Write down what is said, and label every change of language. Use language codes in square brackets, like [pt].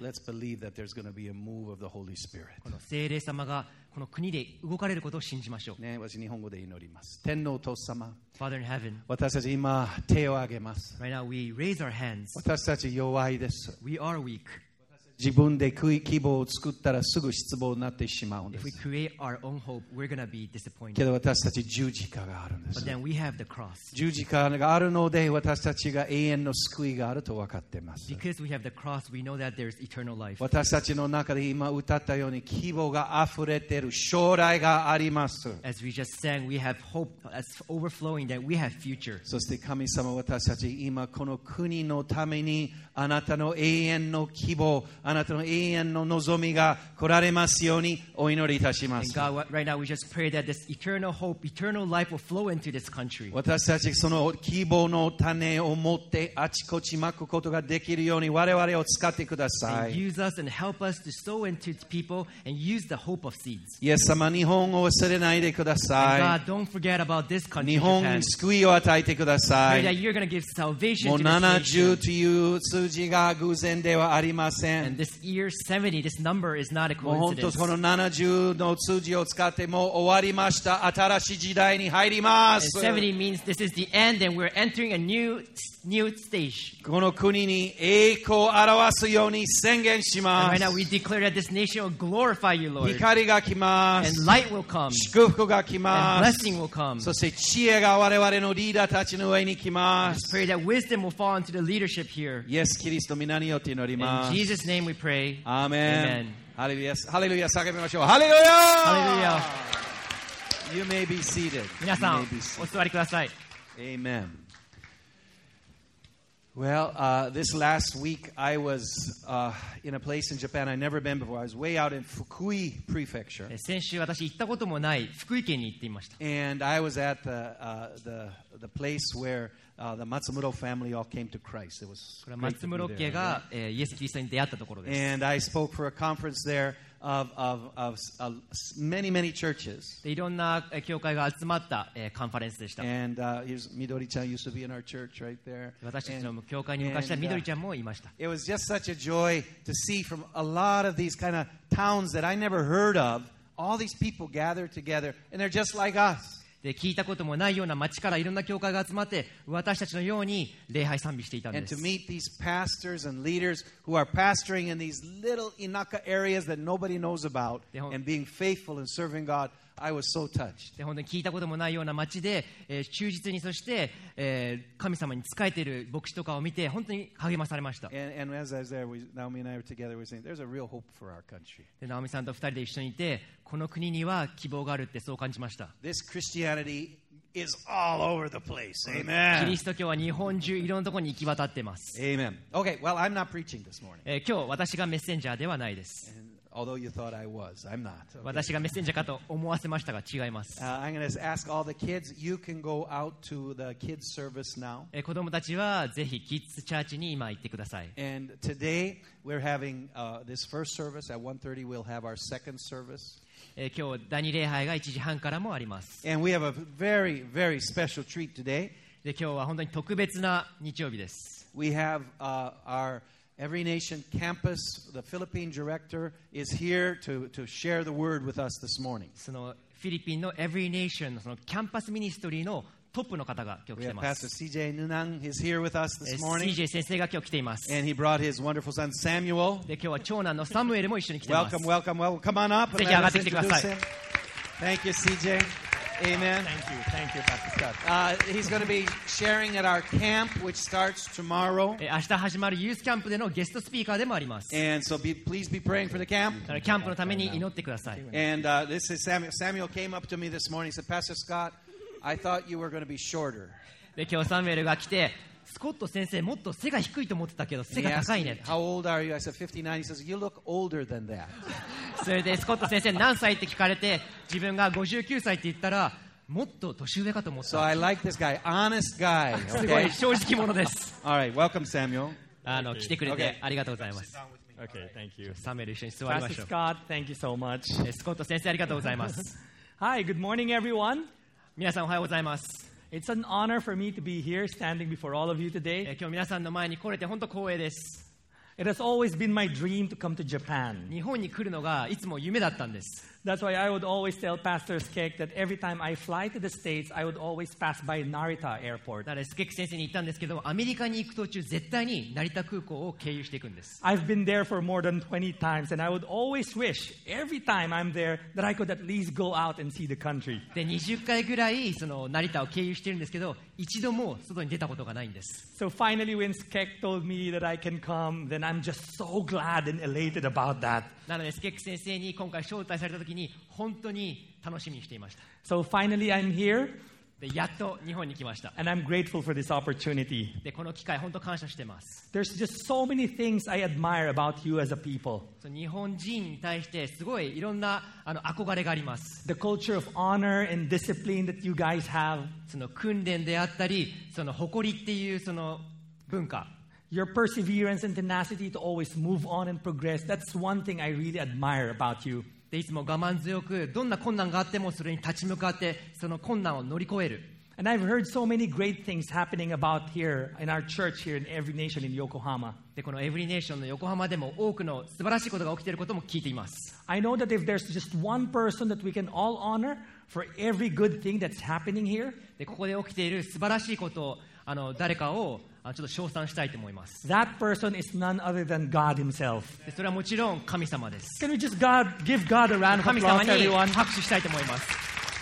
[en] Let's believe that there's going to be a move of the Holy Spirit. [ja] この聖霊様がこの国で動かれることを信じましょう。ね、私日本語で祈ります。天のお父様。 [en] Father in heaven. [ja] 私たち今手を挙げます。 [en] Right now we raise our hands. [ja] 私たち弱いです。 [en] We are weak. [ja] 自分で希望を作ったらすぐ失望になってしまうんです。 [en] If we create our own hope, we're gonna be disappointed. [ja] けど私たち十字架があるんです。 [en] But then we have the cross. [ja] 十字架があるので私たちが永遠の救いがあると分かってます。 [en] Because we have the cross, we know that there's eternal life. [ja] 私たちの中で今歌ったように希望が溢れてる将来があります。 [en] As we just sang, we have hope that's overflowing, that we have future. [ja] そして神様、私たち今この国のためにあなたの永遠の希望、あなたの永遠の望みが来られますようにお祈りいたします。 [en] God, right now we just pray that this eternal hope, eternal life will flow into this country. [ja] 私たちその希望の種を持ってあちこち撒くことができるように我々を使ってください。 [en] and use us and help us to sow into people and use the hope of seeds. [ja] イエス様、日本を忘れないでください。 [en] and God, don't forget about this country. [ja] 日本に救いを与えてください。 [en] pray that you're going to give salvation to this nation. [ja] もう70という数字が偶然ではありません。 [en] And this year 70, this number is not a coincidence. [ja] もう本当この70の数字を使ってもう終わりました。新しい時代に入ります。 [en] And 70 means this is the end and we're entering a new stage. [ja] この国に栄光を表すように宣言します。 [en] And right now we declare that this nation will glorify you, Lord. [ja] 光が来ます。 [en] And light will come. [ja] 祝福が来ます。 [en] And blessing will come. [ja] そして知恵が我々のリーダーたちの上に来ます。 [en] Let's pray that wisdom will fall into the leadership here. [ja] イエス・キリスト皆によって祈ります。 [en] In Jesus' name we pray. Amen. Hallelujah. Hallelujah. Hallelujah. Hallelujah. You may be seated. [ja] 皆さん、お座りください。 [en] Amen. Well, this last week I was in a place in Japan I'd never been before. I was way out in Fukui Prefecture. [ja] 先週私行ったこともない福井県に行っていました。 [en] And I was at the place where the Matsumoto family all came to Christ. It was great to be there. [ja] イエス・キリストに出会ったところです。 [en] And I spoke for a conference there of many, many churches. [ja] いろんな教会が集まったカンファレンスでした。 [en] And Midori-chan used to be in our church right there. [ja] 私たちの教会に昔はみどりちゃんもいました。 [en] It was just such a joy to see from a lot of these kind of towns that I never heard of, all these people gathered together, and they're just like us. [ja] で聞いたこともないような町からいろんな教会が集まって私たちのように礼拝賛美していたんです。 [en] And to meet these pastors and leaders who are pastoring in these little inaka areas that nobody knows about and being faithful and serving God, I was so touched. [ja] 本当に聞いたこともないような町で、忠実にそして、神様に仕えている牧師とかを見て本当に励まされました。 [en] And as I was there, Naomi and I were together, we were saying, there's a real hope for our country. [ja] で、ナオミさんと二人で一緒にいてこの国には希望があるってそう感じました。 [en] This Christianity is all over the place. Amen. [ja] キリスト教は日本中いろんなところに行き渡ってます。 [en] Amen. Okay, well, I'm not preaching this morning. [ja] 今日私がメッセンジャーではないです。 [en] Although you thought I was, I'm not. Okay. [ja] 私がメッセンジャーかと思わせましたが違います。 [en] I'm going to ask all the kids, you can go out to the kids service now. [ja] 子供たちはぜひキッズチャーチに今行ってください。 [en] And today, we're having this first service. At 1:30, we'll have our second service. [ja] 今日第二礼拝が1時半からもあります。 [en] And we have a very, very special treat today. [ja] で今日は本当に特別な日曜日です。 [en] We have our Every Nation Campus, the Philippine Director is here to share the word with us this morning. [ja] そのフィリピンの Every Nation のキャンパスミニストリーのトップの方が今日来ています。 [en] We have Pastor CJ Nunan, he's here with us this morning. [ja] CJ 先生が今日来ています。 [en] And he brought his wonderful son Samuel. [ja] で今日は長男のサムエルも一緒に来ています。 [en] Welcome, welcome, welcome. Come on up. [ja] ぜひ上がってきてください。 [en] Thank you, CJ. Amen. Thank you, Pastor Scott. He's going to be sharing at our camp, which starts tomorrow. [ja] 明日始まるユースキャンプでのゲストスピーカーでもあります。 [en] And so please be praying for the camp. [ja] キャンプのために祈ってください。 [en] And this is Samuel. Samuel came up to me this morning. He said, Pastor Scott,I thought you were going to be shorter. [ja] で今日サムエルが来てスコット先生もっと背が低いと思ってたけど背が高いね。 [en] How old are you? I said 59. He says you look older than that. [ja] それでスコット先生何歳って聞かれて自分が59歳って言ったらもっと年上かと思った。 [en] So I like this guy. Honest guy. [ja] すごい正直者です。 [en] All right. Welcome Samuel. [ja] 来てくれてありがとうございます。 [en] Okay. Thank you. [ja] サムエル一緒に座りましょう。 [en] Pastor Scott, thank you so much. [ja] スコット先生ありがとうございます。 [en] Hi. Good morning, everyone. [ja] 皆さんおはようございます。 [en] It's an honor for me to be here standing before all of you today. [ja] 今日皆さんの前に来れて本当光栄です。 [en] It has always been my dream to come to Japan. [ja] 日本に来るのがいつも夢だったんです。 [en] That's why I would always tell Pastor Skek that every time I fly to the States, I would always pass by Narita Airport. [ja] だからスケック先生に言ったんですけど、アメリカに行く途中絶対に成田空港を経由していくんです。 [en] I've been there for more than 20 times, and I would always wish every time I'm there that I could at least go out and see the country. [ja] で、20回ぐらいその成田を経由してるんですけど、一度も外に出たことがないんです。 [en] So finally, when Skek told me that I can come, then I'm just so glad and elated about that. [ja] なのでスケック先生に今回招待された時に本当に楽しみにしていました。 [en] So finally, I'm here. [ja] でやっと日本に来ました。 [en] And I'm grateful for this opportunity. [ja] でこの機会本当感謝しています。 [en] There's just so many things I admire about you as a people. [ja] そう、日本人に対してすごいいろんなあの憧れがあります。 [en] The culture of honor and discipline that you guys have. [ja] その訓練であったり、その誇りっていうその文化。 [en] Your perseverance and tenacity to always move on and progress. That's one thing I really admire about you. [ja] でいつも我慢強くどんな困難があってもそれに立ち向かってその困難を乗り越える。 [en] And I've heard so many great things happening about here in our church here in Every Nation in Yokohama. [ja] でこの Every Nation の横浜でも多くの素晴らしいことが起きていることも聞いています。 [en] I know that if there's just one person that we can all honor for every good thing that's happening here. [ja] でここで起きている素晴らしいことをあの誰かをちょっと称賛したいと思います。 [en] That person is none other than God himself. [ja] それはもちろん神様です。 [en] Can we just God, give God a round of applause, everyone? [ja] 神様に拍手したいと思います。